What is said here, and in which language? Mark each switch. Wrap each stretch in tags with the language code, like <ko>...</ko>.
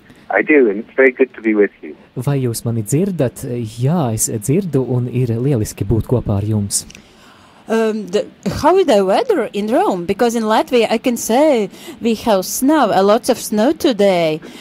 <en>I do, and it's very good to be with you.</en> <lv>Vai jūs mani dzirdat? Jā, es dzirdu, un ir lieliski būt kopā ar jums.</lv> <en>How is the weather in Rome? Because in Latvia, I can say we have snow, a lot of snow today.</en>